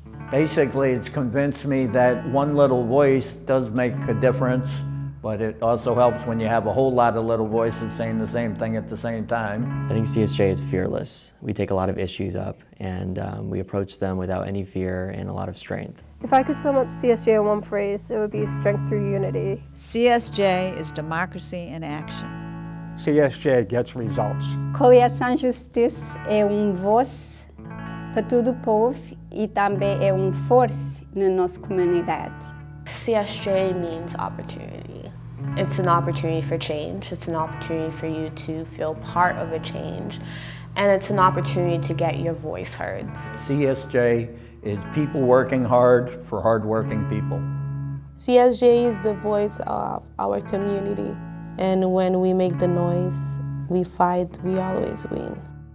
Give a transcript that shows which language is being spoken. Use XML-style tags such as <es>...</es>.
<en>Basically, it's convinced me that one little voice does make a difference, but it also helps when you have a whole lot of little voices saying the same thing at the same time. I think CSJ is fearless. We take a lot of issues up, and we approach them without any fear and a lot of strength. If I could sum up CSJ in one phrase, it would be strength through unity. CSJ is democracy in action. CSJ gets results.</en> <pt>Coalition Justice é um voz para todo o povo e também é um força na nossa comunidade.</pt> <en>CSJ means opportunity. It's an opportunity for change. It's an opportunity for you to feel part of a change. And it's an opportunity to get your voice heard. CSJ is people working hard for hardworking people. CSJ is the voice of our community. And when we make the noise, we fight, we always win.</en>